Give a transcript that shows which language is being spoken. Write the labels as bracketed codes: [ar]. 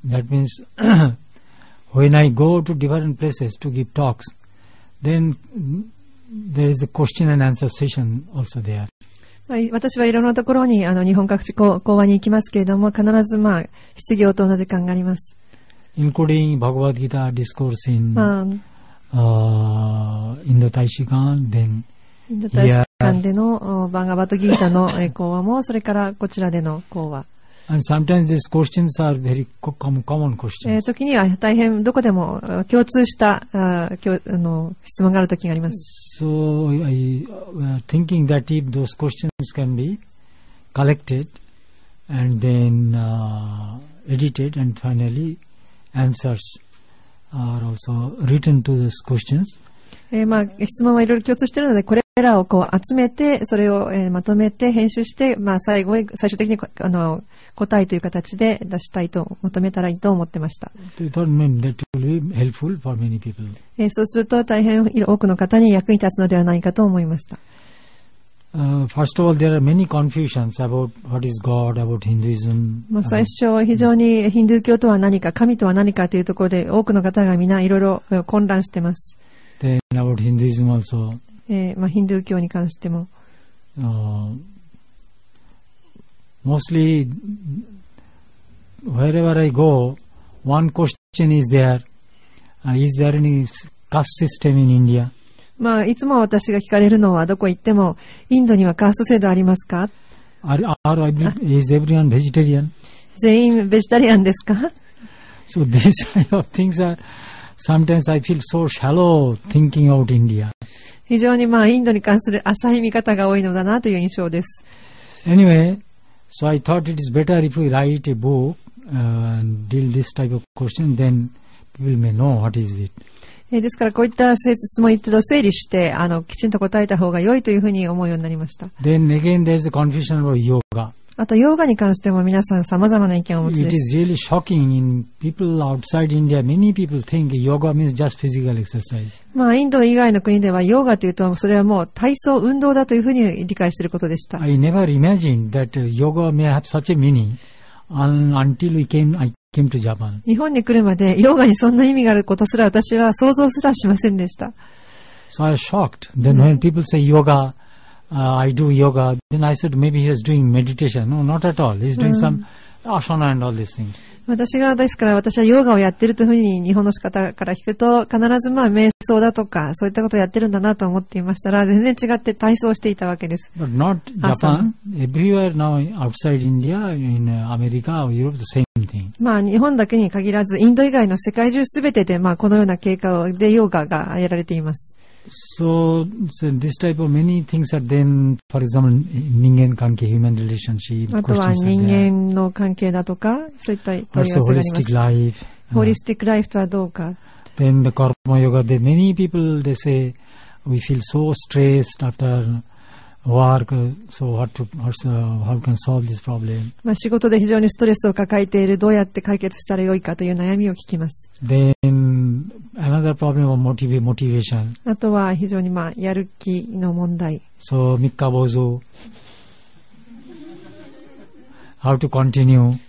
[en] That means when I go to different places to give talks, then there is a question and answer session also there. [ja] 私はいろんなところに日本各地講話に行きますけれども、必ず、質疑応答の時間があります。 [en] Including Bhagavad Gita discourse in Indo-Taishikan, then [ja] Indo-Taishikan での Bhagavad Gita の講話も、それからこちらでの講話。 [en] And sometimes these questions are very common questions. [ja] 時には大変どこでも共通した質問がある時があります。 [en] So I thinking that if those questions can be collected and then edited and finally answers are also written to those questions. [ja] 質問はいろいろ共通しているので、これらをこう集めて、それをまとめて編集して、最終的に答えという形で出したいと、求めたらいいと思ってました。そうすると大変多くの方に役に立つのではないかと思いました。 [en] First of all, there are many confusions about what is God, about Hinduism. [ja] 最初非常にヒンドゥー教とは何か、神とは何かというところで多くの方がみんないろいろ混乱してます。 [en] Then about Hinduism also. [ja] ヒンドゥー教に関しても。 [en] Mostly, wherever I go, one question is there. Is there any caste system in India? [ja] いつも私が聞かれるのは、どこ行っても、インドにはカースト制度ありますか？ [en] Is everyone vegetarian? [ja] 全員ベジタリアンですか？ [en] So these kind of things are, sometimes I feel so shallow thinking about India. [ja] 非常にインドに関する浅い見方が多いのだなという印象です。 [en] Anyway,So I thought it is better if we write a book and deal this type of question, then people may know what is it. [ja] ですからこういった質問を一度整理してきちんと答えた方が良いというふうに思うようになりました。 [en] Then again, there is a confusion about yoga. [ja] あとヨーガに関しても皆さんさまざまな意見をお持ちです。 [en] It is really shocking in people outside India. Many people think yoga means just physical exercise. [ja] インド以外の国ではヨーガというとそれはもう体操運動だというふうに理解していることでした。 [en] I never imagined that yoga may have such a meaning until I came to Japan. [ja] 日本に来るまでヨーガにそんな意味があることすら私は想像すらしませんでした。 [en] So I was shocked. Then when people say yoga,I do yoga. Then I said maybe he is doing meditation. No, not at all. He's doing some asana and all these things. [ja] 私がですから私はヨガをやってるというふうに日本の方から聞くと必ず瞑想だとかそういったことをやってるんだなと思っていましたら全然違って体操していたわけです。 [en] But not Japan. Everywhere now outside India, in America or Europe, the same thing. [ja] 日本だけに限らずインド以外の世界中すべてでこのような経過でヨガがやられています。 [en] So this type of many things are then, for example, 人間関係 human relationship, [ja] あとは人間の関係だとか、そういった問い合わせがあります。 [en] Holistic life. [ja] Holistic life とはどうか。 [en] Then the karma yoga, many people, they say, we feel so stressed after work, so what to, how can solve this problem. [ja] まあ仕事で非常にストレスを抱えている、どうやって解決したらよいかという悩みを聞きます。 [en] Then another problem of motivation. [ja] あとは非常にまあやる気の問題。 So 三日坊主。 [en] How to continue?